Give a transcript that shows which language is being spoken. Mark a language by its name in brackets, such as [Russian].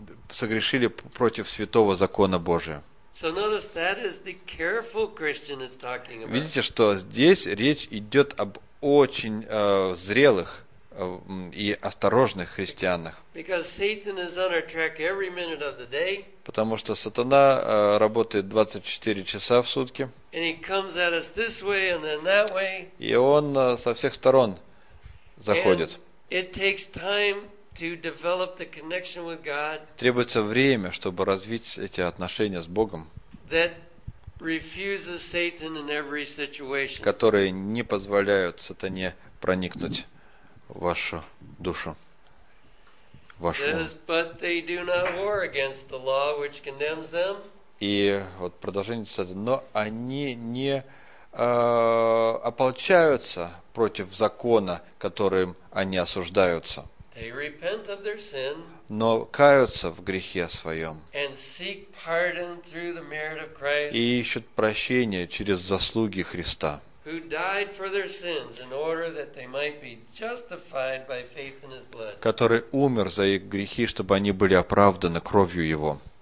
[Russian] Согрешили против святого закона Божия. [English] So notice that is the careful Christian is talking about. [Russian] Видите, что здесь речь идет об очень зрелых и осторожных христианах. [English] Because Satan is on our track every minute of the day. [Russian] Потому что сатана работает 24 часа в сутки. [English] And he comes at us this way and then that way. [Russian] И он со всех сторон заходит. [English] And It takes time to develop the connection with God. [Russian] Требуется время, чтобы развить эти отношения с Богом. [English] That refuses Satan in every situation. [Russian] Которые не позволяют сатане проникнуть в вашу душу. [English] Says, but they do not war against the law which condemns them. [Russian] И вот продолжение цитаты. Но они не ополчаются против закона, которым они осуждаются. [English] They repent of their sin. [Russian] Но каются в грехе своем. [English] And seek pardon through the merit of Christ. [Russian] И ищут прощение через заслуги Христа. [English] Who died for their sins in order that they might be justified by faith in His blood. [Russian] Который умер за их грехи, чтобы они были оправданы кровью Его.